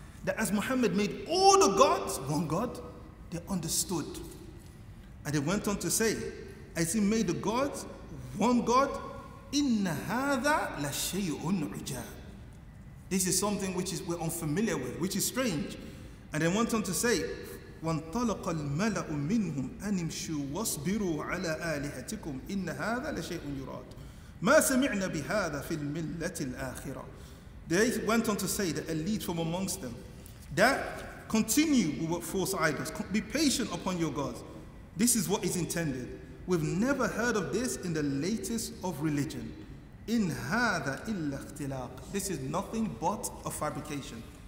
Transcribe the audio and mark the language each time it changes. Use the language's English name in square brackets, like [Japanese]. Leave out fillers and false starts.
[English] That as Muhammad made all the gods one God, they understood. And they went on to say, as he made the gods one God, [Arabic] inna hadha la shay'un ujab. [English] This is something which is we're unfamiliar with, which is strange. [Arabic] And they went on to say, وَانْطَلَقَ الْمَلَأُ مِنْهُمْ أَنِمْشُوا وَاصْبِرُوا عَلَى آلِهَتِكُمْ إِنَّ هَذَا لَشَيْءٌ يُرَادُ مَا سَمِعْنَا بِهَذَا فِي الْمِلَّةِ الْآخِرَةِ. [English] They went on to say that a lead from amongst them, that continue with false idols, be patient upon your gods. This is what is intended. We've never heard of this in the latest of religion. [Arabic] In hadha illa ikhtilaq. [English] This is nothing but a fabrication.